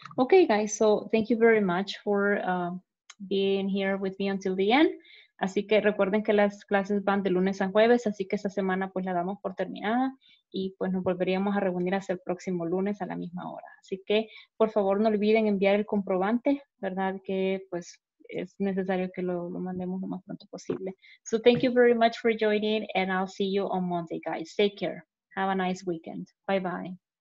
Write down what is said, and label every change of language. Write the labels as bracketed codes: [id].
[en] Okay, guys, so thank you very much for being here with me until the end. [es] Así que recuerden que las clases van de lunes a jueves, así que esta semana pues la damos por terminada y pues nos volveríamos a reunir hasta el próximo lunes a la misma hora. Así que, por favor, no olviden enviar el comprobante, ¿verdad? Que pues es necesario que lo mandemos lo más pronto posible. [en] So thank you very much for joining and I'll see you on Monday, guys. Take care. Have a nice weekend. Bye-bye.